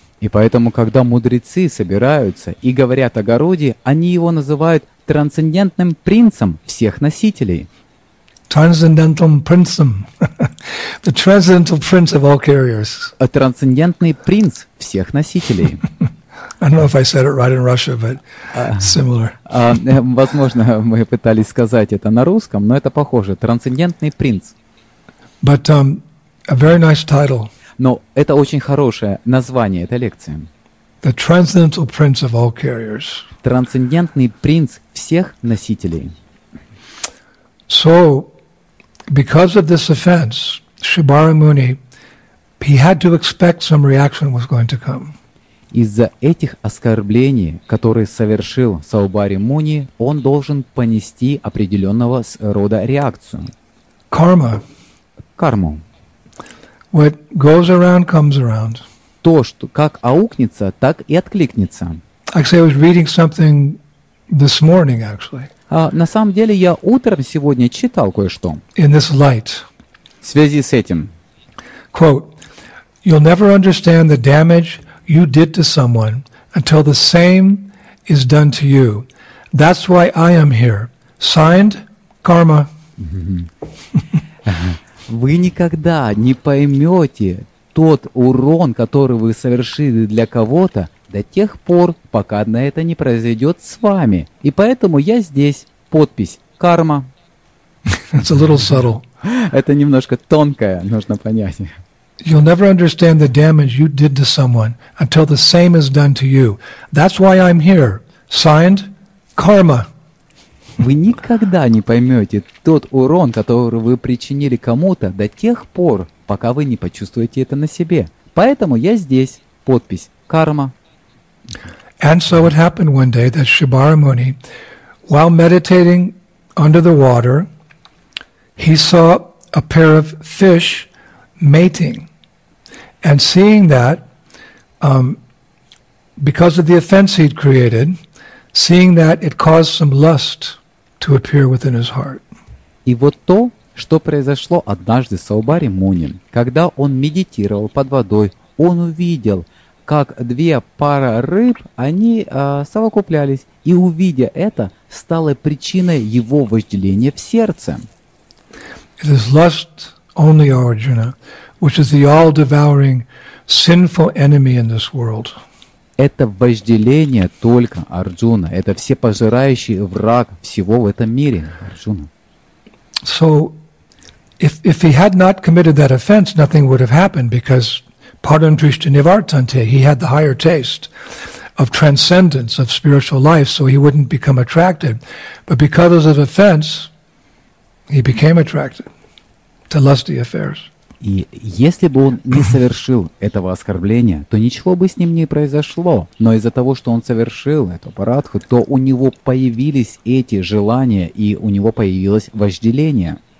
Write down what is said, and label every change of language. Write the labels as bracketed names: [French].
[Russian] И поэтому, когда мудрецы собираются и говорят о Гаруде, они его называют трансцендентным принцем всех носителей. [English] Transcendental prince. The transcendental prince of all carriers. [Russian] А трансцендентный принц всех носителей. [English] I don't know if I said it right in Russia, but similar. [Russian] Возможно, мы пытались сказать это на русском, но это похоже. Трансцендентный принц. [English] But a very nice title. [Russian] Но это очень хорошее название этой лекции. [English] The transcendental prince of all carriers. [Russian] Трансцендентный принц всех носителей. [English] So, because of this offense, Shibari Muni, he had to expect some reaction was going to come. [Russian] Из-за этих оскорблений, которые совершил Саубари Муни, он должен понести определенного рода реакцию. Карма. Карму. [English] What goes around comes around. [Russian] То, что как аукнется, так и откликнется. [English] Actually, I was reading something this morning, actually. [Russian] На самом деле, я утром сегодня читал кое-что. [English] In this light. [Russian] В связи с этим. [English] Quote, you'll never understand the damage you did to someone until the same is done to you. That's why I am here. Signed, Karma. [Russian] Вы никогда не поймете тот урон, который вы совершили для кого-то, до тех пор, пока на это не произойдет с вами. И поэтому я здесь. Подпись «Карма». [English] It's a little subtle. [Russian] Это немножко тонкое, нужно понять. [English] You'll never understand the damage you did to someone until the same is done to you. That's why I'm here. Signed, Karma. [Russian] Вы никогда не поймете тот урон, который вы причинили кому-то до тех пор, пока вы не почувствуете это на себе. Поэтому я здесь. Подпись «Карма». [English] And so it happened one day that Shibari Muni, while meditating under the water, he saw a pair of fish mating. And seeing that, because of the offense he'd created, seeing that it caused some lust to appear within his heart. [Russian] И вот то, что произошло однажды с Саубари Муни, когда он медитировал под водой, он увидел, как две пары рыб, они совокуплялись, и, увидя это, стало причиной его вожделения в сердце. [English] It is lust only, Arjuna, which is the all-devouring sinful enemy in this world. [Russian] Это вожделение только, Арджуна. Это всепожирающий враг всего в этом мире, Арджуна. [English] So, if he had not committed that offense, nothing would have happened, because [Sanskrit] Padam Drishti Nivartante, [English] he had the higher taste of transcendence, of spiritual life, so he wouldn't become attracted. But because of the offense, he became attracted to lusty affairs. [Russian] И если бы он не совершил этого оскорбления, то ничего бы с ним не произошло. Но из-за того, что он совершил эту парадху, то у него появились эти желания, и у него появилось вожделение.